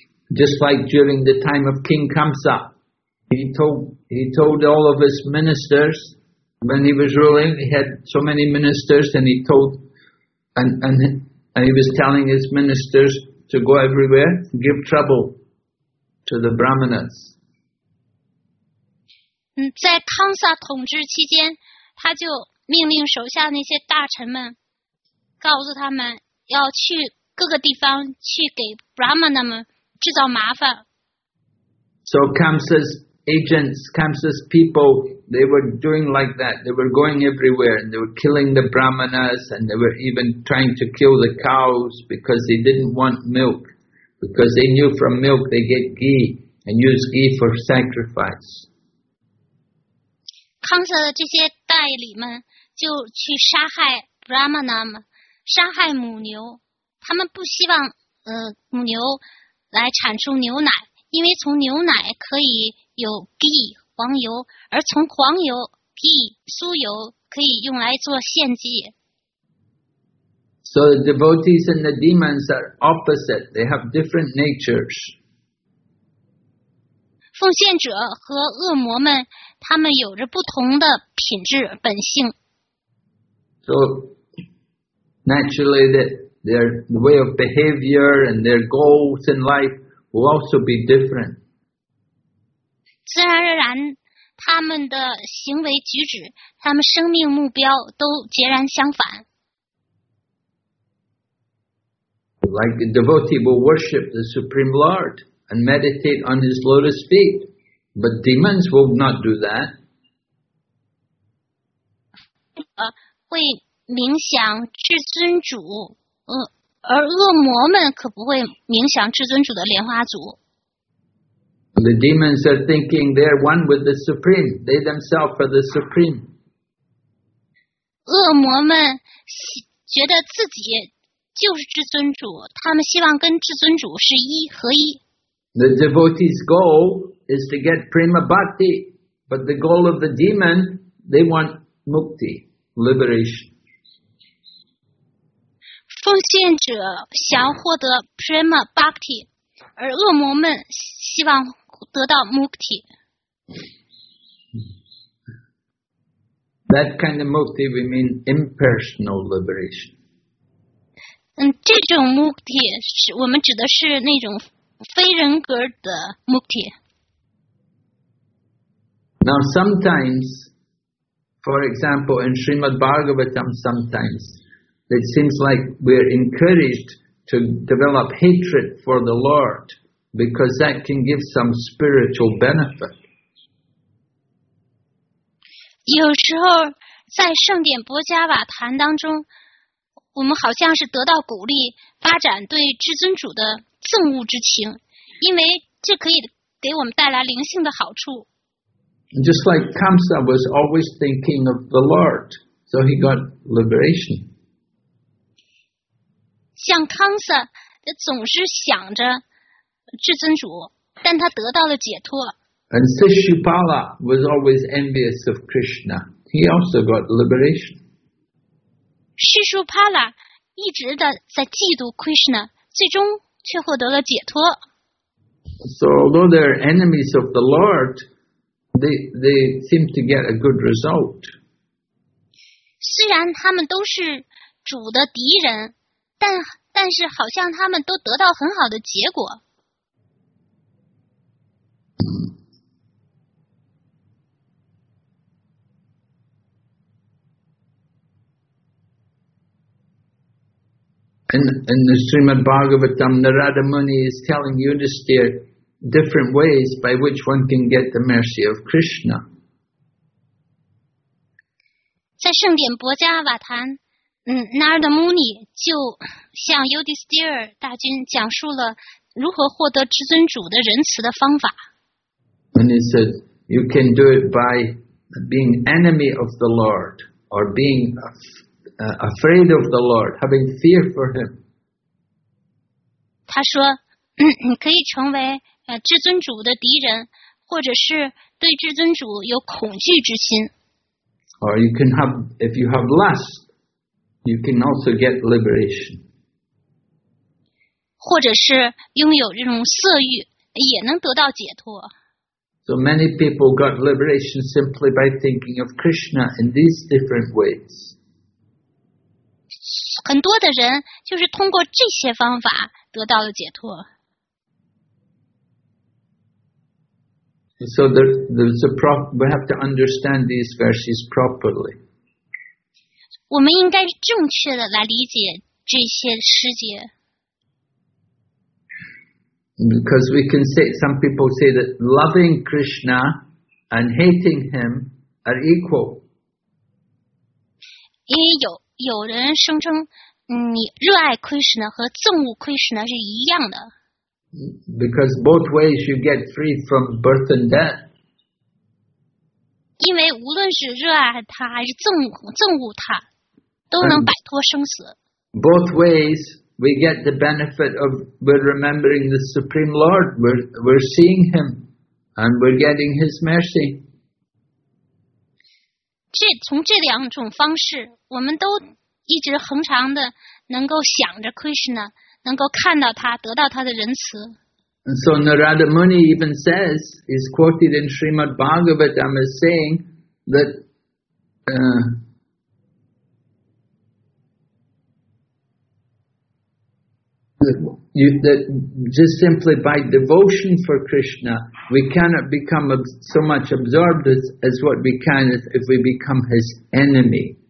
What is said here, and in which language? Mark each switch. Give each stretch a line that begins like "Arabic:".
English: Just like during the time of King Kamsa, he told all of his ministers when he was ruling. He had so many ministers, and he was telling his ministers to go everywhere, give trouble to the brahmanas.
Chinese: 在康萨统治期间，他就命令手下那些大臣们，告诉他们要去各个地方去给 Brahmana 们制造麻烦。
English: So Kamsa's agents, Kamsa's people, they were doing like that. They were going everywhere and they were killing the Brahmanas and they were even trying to kill the cows because they didn't want milk. Because they knew from milk they get ghee and use ghee for sacrifice.
Chinese: 康萨的这些代理们就去杀害 Brahmana 们，杀害母牛。他们不希望母牛来产出牛奶，因为从牛奶可以有 ghee 黄油，而从黄油 ghee 酥油可以用来做献祭。
English: So the devotees and the demons are opposite. They have different natures.
Chinese: 奉献者和恶魔们，他们有着不同的品质本性。
English: So naturally, their way of behavior and their goals in life will also be different.
Chinese: 自然而然，他们的行为举止，他们生命目标都截然相反。
English: Like a devotee will worship the Supreme Lord. And meditate on his lotus feet, but demons will not do that.
Chinese: 会冥想至尊主，而恶魔们可不会冥想至尊主的莲花足。
English: The demons are thinking they are one with the supreme. They themselves are the supreme.
Chinese: 恶魔们觉得自己就是至尊主，他们希望跟至尊主是一合一。
English: The devotee's goal is to get prema bhakti, but the goal of the demon, they want mukti, liberation.
Chinese: 奉献者想获得 prema bhakti, 而恶魔们希望得到 mukti.
English: That kind of mukti, we mean impersonal liberation.
Chinese: 这种 mukti, 我们指的是那种非人格的目的。
English: Now sometimes, for example, in Srimad Bhagavatam, sometimes it seems like we're encouraged to develop hatred for the Lord because that can give some spiritual benefit.
Chinese: 有时候在圣典波伽瓦坛当中，我们好像是得到鼓励，发展对至尊主的憎恶之情，因为这可以给我们带来灵性的好处。
English: Just like Kamsa was always thinking of the Lord, so he got liberation.
Chinese: 像康萨总是想着至尊主，但他得到了解脱。
English: And Sishupala was always envious of Krishna. He also got liberation.
Chinese: Sishupala 一直的在嫉妒 Krishna, 最终却获得了解脱。
English: So although they're enemies of the Lord, they seem to get a good result.
Chinese: 虽然他们都是主的敌人，但但是好像他们都得到很好的结果。
English: And the Srimad Bhagavatam, Narada Muni is telling Yudhisthira different ways by which one can get the mercy of Krishna.
Chinese: 在圣典博迦瓦坛，Narada Muni 就向 Yudhisthira 大君讲述了如何获得至尊主的仁慈的方法。
English: And he said, you can do it by being enemy of the Lord or being afraid of the Lord, having fear for him.
Chinese: 他说，可以成为至尊主的敌人，或者是对至尊主有恐惧之心。
English: Or you can have, if you have lust, you can also get liberation.
Chinese: 或者是拥有这种色欲，也能得到解脱。
English: So many people got liberation simply by thinking of Krishna in these different ways.
Chinese: 很多的人就是通过这些方法得到了解脱。
English: So there's a problem. We have to understand these verses properly.
Chinese: 我们应该正确的来理解这些诗节。
English: Because we can say, some people say that loving Krishna and hating him are equal.
Chinese: 因为有人声称，你热爱 Krishna 和憎恶 Krishna 是一样的。
English: Because both ways you get free from birth and death.
Chinese: 因为无论是热爱他还是憎恶他，都能摆脱生死。
English: Both ways we get the benefit of we're remembering the Supreme Lord, we're seeing him, and we're getting his mercy.
Chinese: 从这两种方式，我们都一直恒常的能够想着 Krishna， 能够看到他，得到他的仁慈。
English: And so Narada Muni even says, is quoted in Srimad Bhagavatam as saying that, that just simply by devotion for Krishna, we cannot become so much absorbed as what we can if we become his enemy.